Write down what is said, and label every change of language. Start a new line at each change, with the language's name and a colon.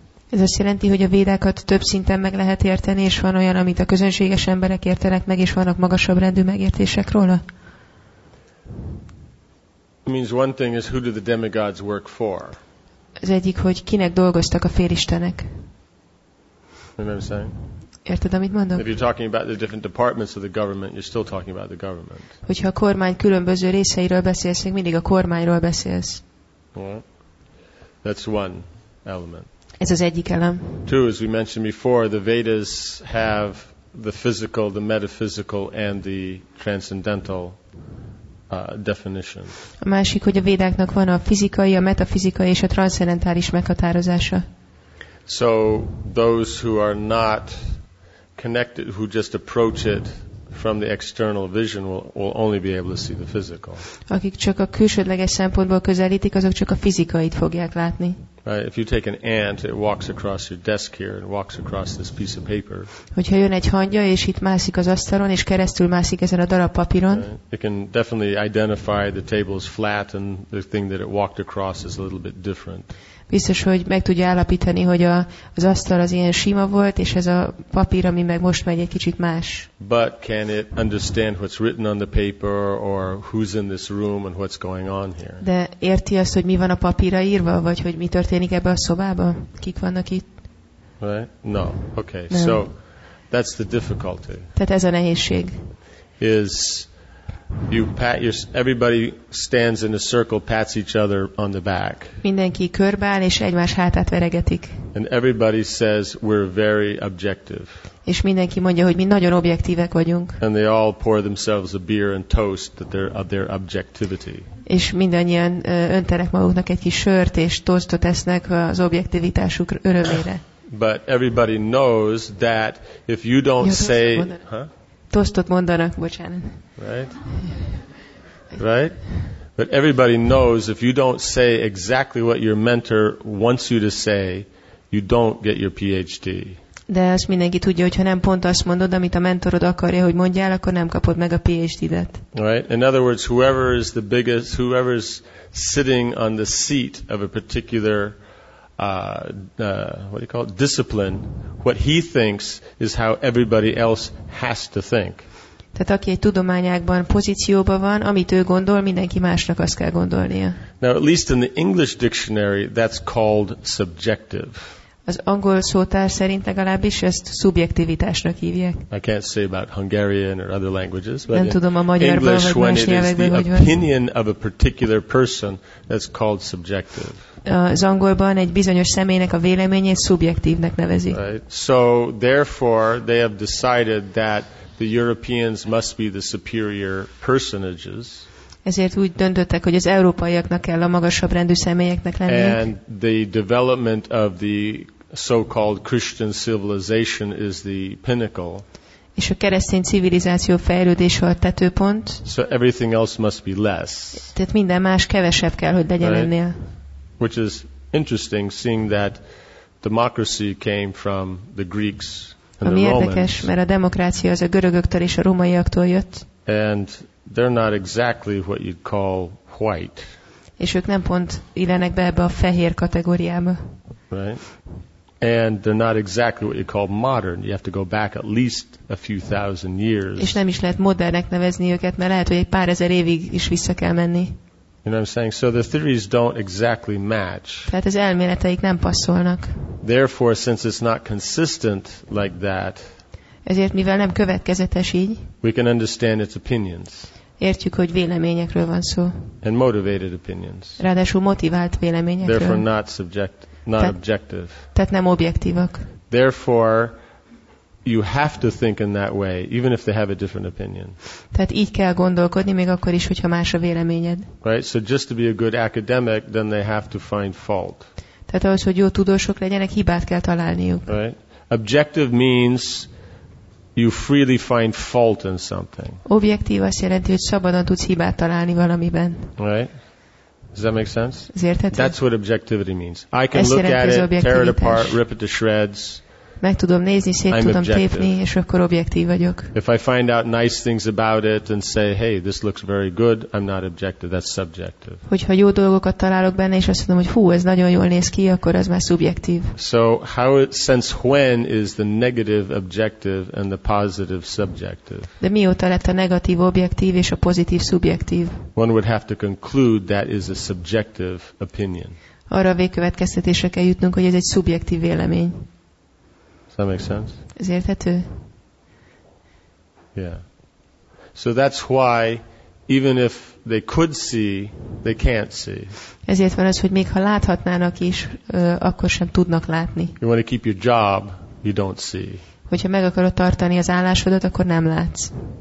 Hungarian: Ez azt jelenti, hogy a védákat több szinten meg lehet érteni, és van olyan, amit a közönséges emberek értenek meg, és vannak magasabb rendű megértések róla?
English: Means one thing is, who do the demigods work for?
Hungarian: Az egyik, hogy kinek dolgoztak a félistenek. Érted, amit mondok?
English: If you're talking about the different departments of the government, you're still talking about the government.
Hungarian: Hogyha a kormány különböző részeiről beszélsz, mindig a kormányról beszélsz.
English: Yeah. That's one element.
Hungarian: Ez az egyik elem.
English: Two, as we mentioned before, the Vedas have the physical, the metaphysical, and the transcendental definition.
Hungarian: A másik, hogy a védáknak van a fizikai, a metafizikai és a transzcendentális meghatározása.
English: So those who are not connected, who just approach it from the external vision, will only be able to see the physical.
Hungarian: Akik csak a külsődleges szempontból közelítik, azok csak a fizikait fogják látni.
English: If you take an ant, it walks across your desk here and walks across this piece of paper.
Hungarian: Hogyha jön egy hangya, és itt mászik az asztalon, és keresztül mászik ezen a darab papíron.
English: It can definitely identify the table's flat and the thing that it walked across is a little bit different.
Hungarian: Biztos, hogy meg tudja állapítani, hogy az asztal az ilyen sima volt, és ez a papír, ami meg most megy, egy kicsit más.
English: But can it understand what's written on the paper, or who's in this room, and what's going on here?
Hungarian: De érti azt, hogy mi van a papírra írva, vagy hogy mi történik ebbe a szobába? Kik vannak itt?
English: Right? No. Okay.
Hungarian: Nem.
English: So, that's the difficulty.
Hungarian: Tehát ez a nehézség.
English: Is you pat your, everybody stands in a circle, pats each other on the back.
Hungarian: Mindenki körbeáll és egymás hátát veregetik.
English: And everybody says we're very objective.
Hungarian: És mindenki mondja, hogy mi nagyon objektívek vagyunk.
English: And they all pour themselves a beer and toast that they're of their objectivity.
Hungarian: És mindannyian önterek maguknak egy kis sört és toastot esznek az objektivitásuk örömére.
English: But everybody knows that if you don't say,
Hungarian: Tosztot mondanak, bocsánat.
English: Right? Right? But everybody knows if you don't say exactly what your mentor wants you to say, you don't get your PhD.
Hungarian: De azt mindenki tudja, hogyha nem pont azt mondod, amit a mentorod akarja, hogy mondjál, akkor nem kapod meg a PhD-det.
English: Right? In other words, whoever is the biggest, whoever is sitting on the seat of a particular what do you call it? Discipline, what he thinks is how everybody else has to think.
Hungarian: Tehát aki egy tudományágban pozícióban van, amit ő gondol, mindenki másnak azt kell gondolnia.
English: Now, at least in the English dictionary, that's called subjective.
Hungarian: Az angol szótár szerint legalábbis ezt szubjektivitásnak hívják.
English: I can't say about Hungarian or other languages, but
Hungarian: nem tudom a magyarban,
English: English,
Hungarian: vagy más nyelvekben, hogy van.
English: Opinion of a particular person, that's called subjective.
Hungarian: Az angolban egy bizonyos személynek a véleményét szubjektívnek nevezik.
English: Right. So therefore they have decided that the Europeans must be the superior personages.
Hungarian: Ezért úgy döntöttek, hogy az európaiaknak kell a magasabb rendű személyeknek lenni.
English: And the development of the so-called Christian civilization is the pinnacle.
Hungarian: És a keresztény civilizáció fejlődése a tetőpont.
English: So everything else must be less.
Hungarian: Tehát minden más kevesebb kell, hogy legyen ennél.
English: Which is interesting, seeing that democracy came from the Greeks and
Hungarian: ami
English: the Romans.
Hungarian: Ami érdekes, mert a demokrácia az a görögöktől és a rómaiaktól jött.
English: And they're not exactly what you'd call white.
Hungarian: És ők nem pont illenek be ebbe a fehér kategóriába.
English: Right. And they're not exactly what you call modern. You have to go back at least a few thousand years.
Hungarian: És nem is lehet modernnek nevezni őket, mert lehet, hogy egy pár ezer évig is vissza kell menni.
English: You know what I'm saying? So the theories don't exactly match.
Hungarian: Tehát az elméleteik nem passzolnak.
English: Therefore, since it's not consistent like that,
Hungarian: ezért, mivel nem következetes így,
English: we can understand its opinions.
Hungarian: Értjük, hogy véleményekről van szó.
English: And motivated opinions.
Hungarian: Ráadásul motivált véleményekről.
English: Therefore, not subject, not objective.
Hungarian: Tehát nem objektívak.
English: Therefore, you have to think in that way, even if they have a different opinion.
Hungarian: Tehát így kell gondolkodni, még akkor is, hogyha más a véleményed.
English: Right? So just to be a good academic, then they have to find fault.
Hungarian: Tehát ahhoz, hogy jó tudósok legyenek, hibát kell találniuk.
English: Right? Objective means you freely find fault in something.
Hungarian: Objektív azt jelenti, hogy szabadon tudsz hibát találni valamiben.
English: Right? Does that make sense?
Hungarian: Ez érthető?
English: That's what objectivity means. I can look at it, tear it apart, rip it to shreds.
Hungarian: Meg tudom nézni, szét
English: I'm
Hungarian: tudom
English: objective.
Hungarian: Tépni, és akkor objektív vagyok.
English: If I find out nice things about it and say, hey, this looks very good, I'm not objective, that's subjective.
Hungarian: Hogyha jó dolgokat találok benne, és azt mondom, hogy hú, ez nagyon jól néz ki, akkor az már szubjektív.
English: So, how it, since when is the negative objective and the positive subjective?
Hungarian: De mióta lett a negatív objektív és a pozitív szubjektív?
English: One would have to conclude that is a subjective opinion.
Hungarian: Arra a végkövetkeztetésre kell jutnunk, hogy ez egy szubjektív vélemény.
English: That makes sense.
Hungarian: Ez érthető?
English: Yeah. So that's why even if they could see, they can't see.
Hungarian: Ezért van az, hogy még ha láthatnának is, akkor sem tudnak látni.
English: You want to keep your job, you don't see.
Hungarian: Hogyha meg akarod tartani az állásodat, akkor nem látsz.